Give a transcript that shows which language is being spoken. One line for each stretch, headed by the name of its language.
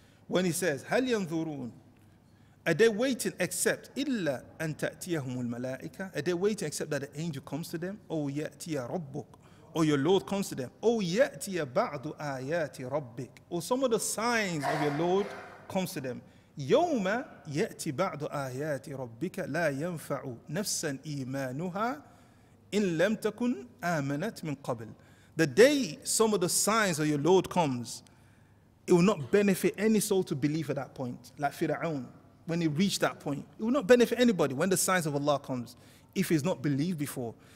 English: When he says,
Arabic: هَلْ يَنْظُرُونَ.
English: Are they waiting except
Arabic: إِلَّا أَن تَأْتِيَهُمُ الْمَلَائِكَةِ.
English: Are they waiting except that the angel comes to them?
Arabic: أَوْ يَأْتِيَ رَبُّكَ.
English: Or your Lord comes to them.
Arabic: أَوْ يَأْتِيَ بَعْضُ آيَاتِ رَبِّكَ.
English: Or some of the signs of your Lord comes to them.
Arabic: يوم يأتي بعض آيات ربك لا ينفع نفسا إيمانها إن لم تكن آمنت من قبل.
English: The day some of the signs of your Lord comes, it will not benefit any soul to believe at that point. Like Fir'aun, when he reached that point, it will not benefit anybody when the signs of Allah comes if he's not believed before.